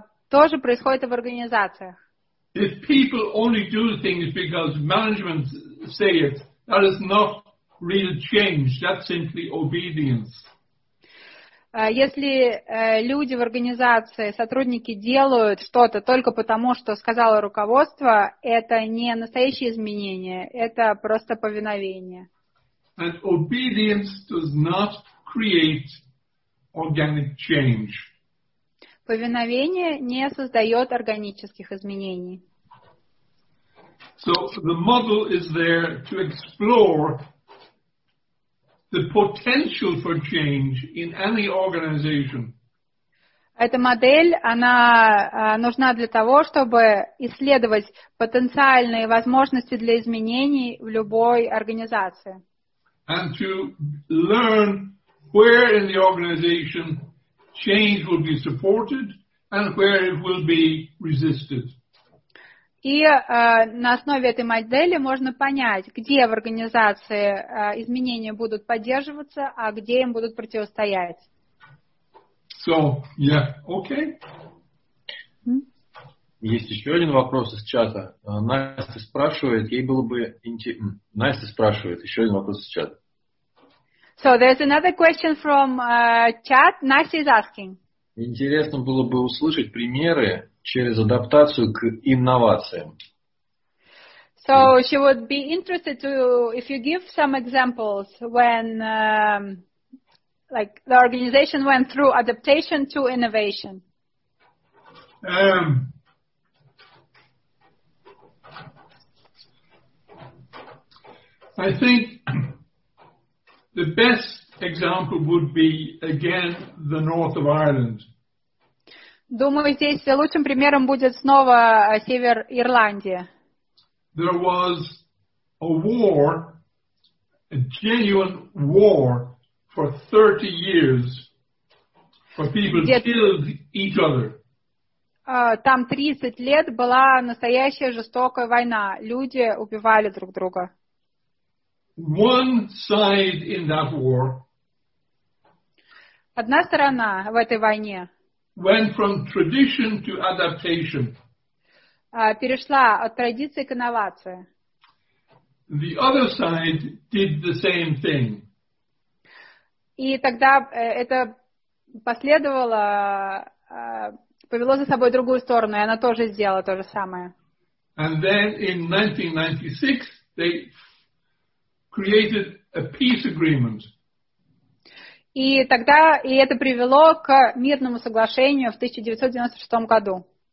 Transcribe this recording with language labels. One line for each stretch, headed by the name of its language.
Russian: Тоже происходит и в организациях.
English: If people only do things because management say it, that is not real change, that's simply obedience.
Russian: Если люди в организации, сотрудники делают что-то только потому, что сказало руководство, это не настоящие изменения, это просто повиновение.
English: And obedience does not create organic change.
Russian: Повиновение не создает органических изменений.
English: So the model is there to explore the potential for change in any organization.
Russian: Эта модель, она нужна для того, чтобы исследовать потенциальные возможности для изменений в любой организации.
English: And to learn where in the organization change will be supported and where it will be resisted.
Russian: И на основе этой модели можно понять, где в организации изменения будут поддерживаться, а где им будут противостоять.
English: So, yeah, okay.
Russian: Есть еще один вопрос из чата. Настя спрашивает, ей было бы интересно. Настя спрашивает, еще один вопрос из чата.
English: So there's another question from chat. Nasty is asking.
Russian: Интересно было бы услышать примеры через адаптацию к инновациям.
English: So she would be interested to if you give some examples when like the organization went through adaptation to innovation. I think the best example would be, again, the north of Ireland.
Russian: Думаю, здесь лучшим примером будет снова север Ирландии.
English: There was a war, a genuine war, for 30 years, where people killed each other.
Russian: Там 30 лет была настоящая жестокая война. Люди убивали друг друга.
English: One side in that war.
Russian: Одна сторона в этой войне.
English: Went from tradition to adaptation.
Russian: Перешла от традиции к инновации.
English: The other side did the same thing.
Russian: И тогда это последовало, повело за собой другую сторону, и она тоже сделала то же самое.
English: And then in 1996 they created a peace agreement.
Russian: И тогда и это привело к мирному соглашению в 1996 году.